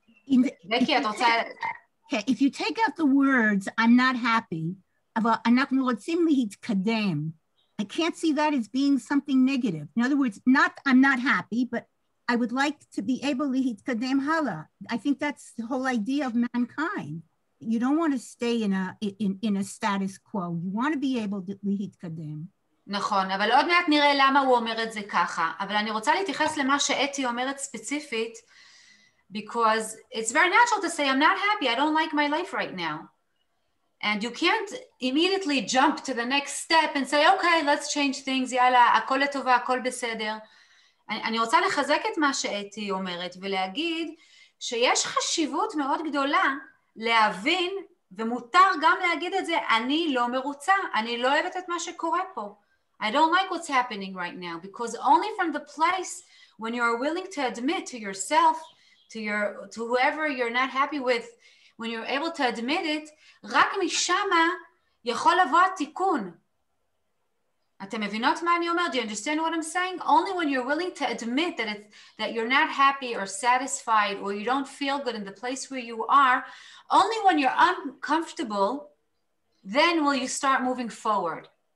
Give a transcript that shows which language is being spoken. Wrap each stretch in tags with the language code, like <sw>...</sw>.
<en>If you take out the words, I'm not happy, I can't see that as being something negative. In other words, not I'm not happy, but I would like to be able to hitkadem hala. I think that's the whole idea of mankind. You don't want to stay in a status quo. You want to be able to hitkadem.</en> <he>נכון, אבל עוד מעט נראה למה הוא אומר את זה ככה. אבל אני רוצה להתייחס למה שאתי אומרת ספציפית,</he> <en>because it's very natural to say, I'm not happy. I don't like my life right now. And you can't immediately jump to the next step and say, okay, let's change things.</en> <he>יאללה, הכל לטובה, הכל בסדר. אני רוצה לחזק את מה שאתי אומרת ולהגיד שיש חשיבות מאוד גדולה להבין, ומותר גם להגיד את זה, אני לא מרוצה, אני לא אוהבת את מה שקורה פה.</he> <en>I don't like what's happening right now, because only from the place when you are willing to admit to yourself, to whoever you're not happy with, when you're able to admit it,</en> <he>רק משמה יכול לבוא התיקון. אתם מבינות מה אני אומר?</he> <en>Do you understand what I'm saying? Only when you're willing to admit that that you're not happy or satisfied or you don't feel good in the place where you are, only when you're uncomfortable, then will you start moving forward.</en>